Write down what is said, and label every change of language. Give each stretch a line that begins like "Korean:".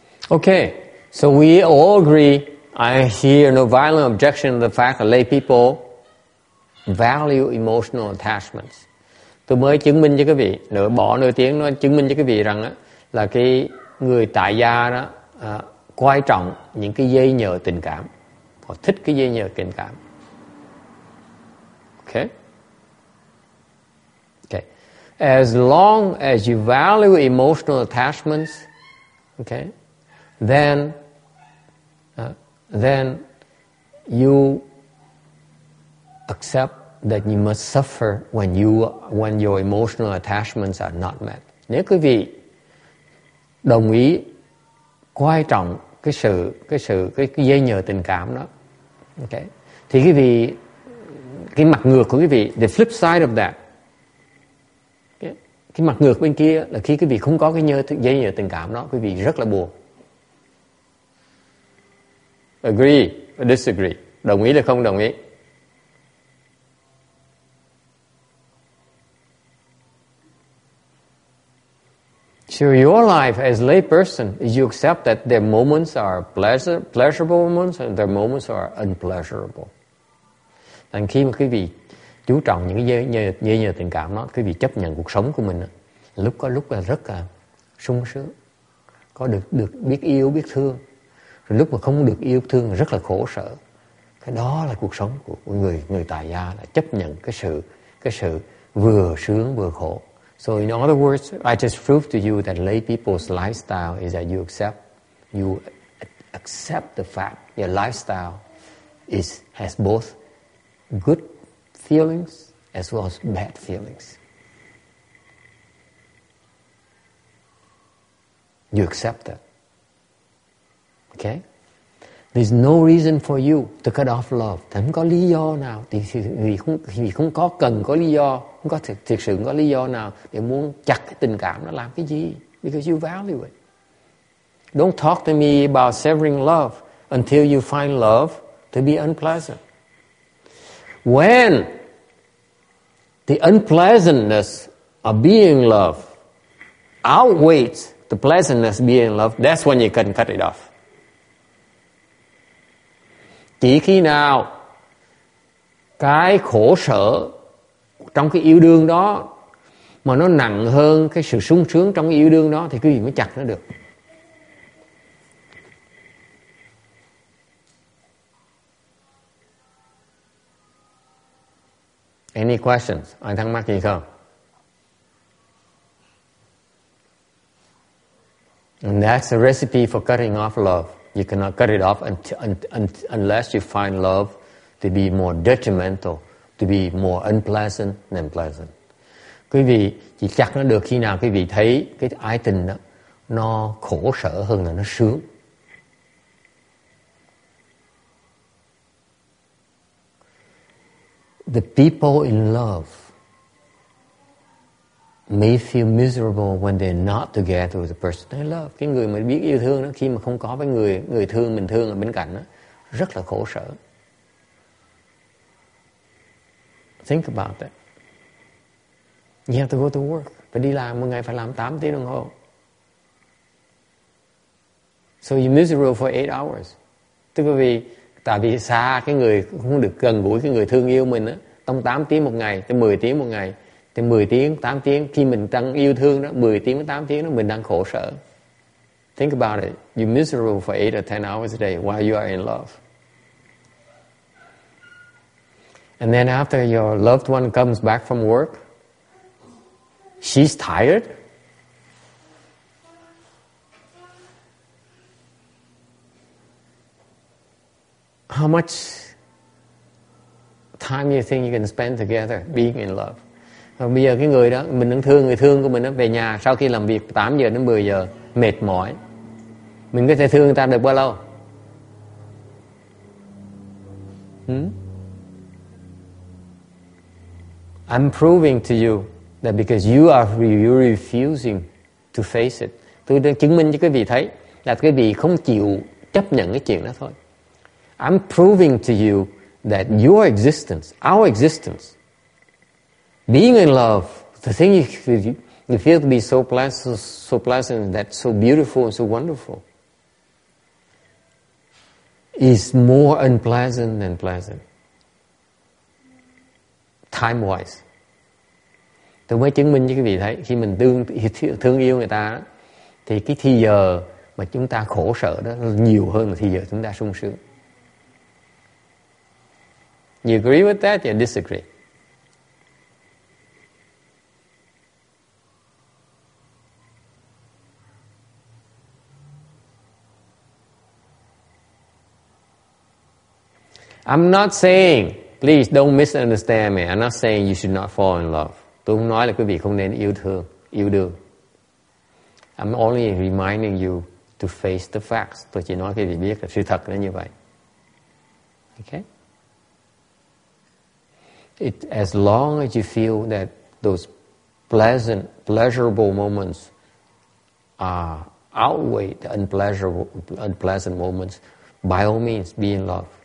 English: Okay, so we all agree, I hear no violent objection to the fact that lay people value emotional attachments.
Vietnamese: Tôi mới chứng minh cho quý vị, nửa bỏ nửa tiếng, nó chứng minh cho quý vị rằng là cái người tại gia đó quan trọng những cái dây nhờ tình cảm. Họ thích cái dây nhờ tình cảm.
English: Okay. As long as you value emotional attachments, okay, then you accept that you must suffer when your emotional attachments are not met.
Vietnamese: Nếu quý vị đồng ý quan trọng cái dây nhờ tình cảm đó, okay, thì quý vị cái mặt ngược của quý vị,
English: the flip side of that.
Vietnamese: Cái mặt ngược bên kia là khi quý vị không có cái dây nhờ tình cảm đó, quý vị rất là buồn.
English: Agree or disagree?
Vietnamese: Đồng ý là không đồng ý?
English: So your life as lay person, you accept that their moments are pleasurable moments and their moments are unpleasurable.
Vietnamese: Thành khi mà quý vị chú trọng những dây nhờ tình cảm đó, quý vị chấp nhận cuộc sống của mình đó. Lúc có lúc là rất là sung sướng, có được biết yêu, biết thương. Rồi lúc mà không được yêu thương rất là khổ sở. Cái đó là cuộc sống của người người tại gia, là chấp nhận cái sự vừa sướng vừa khổ.
English: So in other words, I just proved to you that lay people's lifestyle is that you accept the fact your lifestyle is has both good feelings as well as bad feelings. You accept that. Okay? There's no reason for you to cut off love.
Vietnamese: Thì không có lý do nào. Thì không có cần có lý do. Không có thực sự có lý do nào để muốn chặt cái tình cảm nó làm cái gì.
English: Because you value it. Don't talk to me about severing love until you find love to be unpleasant. When the unpleasantness of being love outweighs the pleasantness of being love, that's when you can cut it off.
Vietnamese: Chỉ khi nào cái khổ sở trong cái yêu đương đó mà nó nặng hơn cái sự sung sướng trong cái yêu đương đó thì quý vị mới chặt nó được.
English: Any questions?
Vietnamese: Ai thắc mắc gì không?
English: And that's the recipe for cutting off love. You cannot cut it off unless you find love to be more detrimental, to be more unpleasant than pleasant.
Vietnamese: Quý vị chỉ chắc nó được khi nào quý vị thấy cái ái tình đó nó khổ sở hơn là nó sướng.
English: The people in love may feel miserable when they're not together with the person they love.
Vietnamese: Cái người mà biết yêu thương đó, khi mà không có với người người thương mình thương ở bên cạnh đó, rất là khổ sở.
English: Think about that. You have to go to work.
Vietnamese: Phải đi làm, một ngày phải làm 8 tiếng đồng hồ.
English: So you're miserable for 8 hours.
Vietnamese: Tức là vì tại vì xa cái người không được gần gũi cái người thương yêu mình á, trong 8 tiếng một ngày tới 10 tiếng một ngày. Thì 10 tiếng, 8 tiếng, khi mình đang yêu thương đó, 10 tiếng, 8 tiếng đó, mình đang khổ sở.
English: Think about it. You're miserable for 8 or 10 hours a day while you are in love. And then after your loved one comes back from work, she's tired. How much time you think you can spend together being in love?
Vietnamese: Bây giờ cái người đó, mình đang thương người thương của mình đó, về nhà sau khi làm việc 8 giờ đến 10 giờ, mệt mỏi. Mình có thể thương người ta được bao lâu?
English: I'm proving to you that because you are refusing to face it.
Vietnamese: Tôi đang chứng minh cho quý vị thấy là quý vị không chịu chấp nhận cái chuyện đó thôi.
English: I'm proving to you that your existence, our existence, being in love, the thing you feel to be so pleasant, that's so beautiful and so wonderful, is more unpleasant than pleasant. Time-wise.
Vietnamese: Tôi mới chứng minh cho quý vị thấy, khi mình thương yêu người ta, thì cái thời giờ mà chúng ta khổ sở đó nhiều hơn là thời giờ chúng ta sung sướng.
English: You agree with that or disagree? I'm not saying, please don't misunderstand me. I'm not saying you should not fall in love.
Vietnamese: Tôi không nói là quý vị không nên yêu thương, yêu đương.
English: I'm only reminding you to face the facts.
Vietnamese: Tôi chỉ nói quý vị biết là sự thật nó như vậy.
English: Okay? It, as long as you feel that those pleasant, pleasurable moments outweigh the unpleasant moments, by all means, be in love.